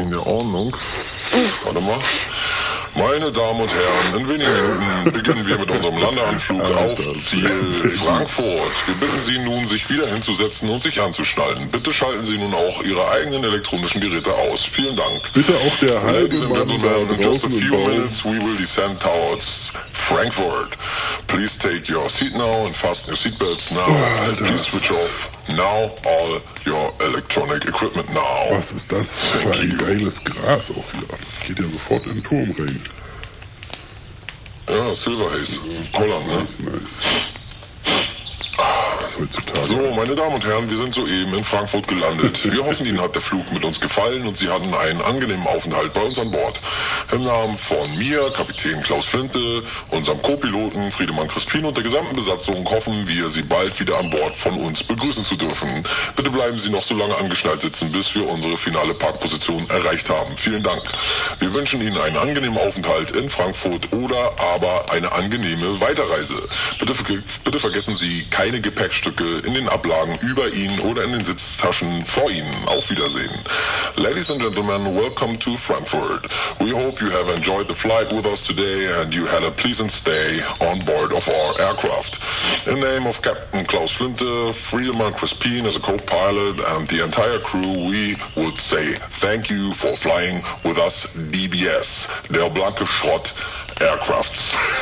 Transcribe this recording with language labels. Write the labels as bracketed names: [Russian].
[German] Wegen der Ordnung. Warte mal. Meine Damen und Herren, in wenigen Minuten beginnen wir mit unserem Landeanflug auf Ziel Frankfurt. Wir bitten Sie nun, sich wieder hinzusetzen und sich anzuschnallen. Bitte schalten Sie nun auch Ihre eigenen elektronischen Geräte aus. Vielen Dank. Bitte auch der halbe Mann da [English] in just a few minutes we will descend towards Frankfurt. Please take your seat now and fasten your seatbelts now. [German] Oh, Alter. [English] Please switch off now all your electronic equipment now. [German] Was ist das für ein geiles Gras auch wieder? Geht ja sofort in den Turm rein. Ja, Silver Haze. Holland, ne? Nice. Ah, heutzutage. So, meine Damen und Herren, wir sind soeben in Frankfurt gelandet. Wir hoffen, Ihnen hat der Flug mit uns gefallen und Sie hatten einen angenehmen Aufenthalt bei uns an Bord. Im Namen von mir, Kapitän Klaus Flinte, unserem Co-Piloten Friedemann Crispin und der gesamten Besatzung hoffen wir, Sie bald wieder an Bord von uns begrüßen zu dürfen. Bitte bleiben Sie noch so lange angeschnallt sitzen, bis wir unsere finale Parkposition erreicht haben. Vielen Dank. Wir wünschen Ihnen einen angenehmen Aufenthalt in Frankfurt oder aber eine angenehme Weiterreise. Bitte vergessen Sie keine Gepäckstücke in den Ablagen über Ihnen oder in den Sitztaschen vor Ihnen. Auf Wiedersehen. [English] Ladies and gentlemen, welcome to Frankfurt. We hope you have enjoyed the flight with us today and you had a pleasant stay on board of our aircraft. In name of Captain Klaus Flinte, Friedemann Crispin as a co-pilot and the entire crew, we would say thank you for flying with us DBS, [German] der blanke Schrott [English] Aircrafts.